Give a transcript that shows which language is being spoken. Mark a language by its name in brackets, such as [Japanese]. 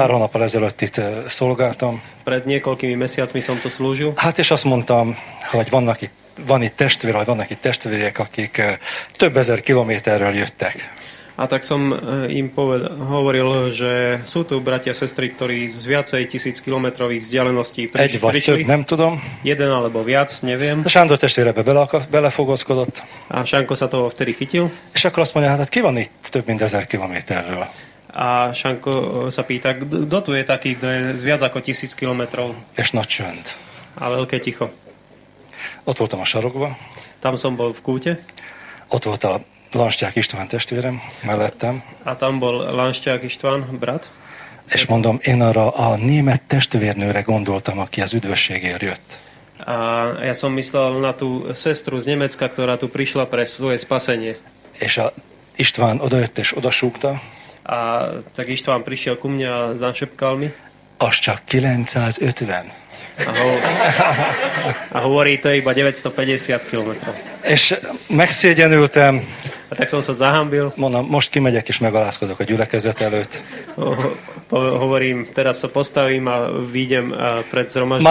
[Hungarian] Pár hónappal ezelőtt itt szolgáltam. [Slovak] Pred niekoľkými mesiacmi som tu slúžil. [Hungarian] Hát és azt mondtam, hogy vannak itt testvérek, akik több ezer kilométerről jöttek. [Slovak] A tak som im hovoril, že sú tu bratia, sestry, ktorí z viacej tisíc kilometrových vzdialeností prišli. [Hungarian] Egy vagy [Slovak] prišli. [Hungarian] Több, nem tudom. [Slovak] Jeden alebo viac, neviem. [Hungarian] A Sándor testvérebe belefogozkodott. [Slovak] A Sanko sa toho vtedy chytil. [Hungarian] És akkor azt mondja, hát ki van itt több mint ezer kilométerről? [Slovak] A Sanko sa pýta, kto tu je taký, kto je z viac ako tisíc kilometrov? [Hungarian] És nagy csönd. [Slovak] A veľké ticho. [Hungarian] Ott voltam a sarokba. [Slovak] Tam som bol v kúte. [Hungarian] Ott volt a Lanštiák István testvérem, mellettem. [Slovak] A tam bol Lanštiák István, brat. [Hungarian] És mondom, én arra a német testvérnőre gondoltam, aki az üdvösségért jött. [Slovak] A ja som myslel na tú sestru z Nemecka, ktorá tu prišla pre svoje spasenie. [Hungarian] És a István odajött és odasúgta. [Slovak] A tak István prišiel ku mne a zašepkal mi. [Hungarian] Až csak 950. [Slovak] A hovorí, to je iba 950 kilometrov. [Hungarian] És megszégyenültem. [Slovak] A tak som sa zahambil. [Hungarian] Mondom, most kimegyek és megalázkodok a gyülekezet előtt. [Slovak] Hovorím, teraz sa postavím a vyjdem pred zromaždenie.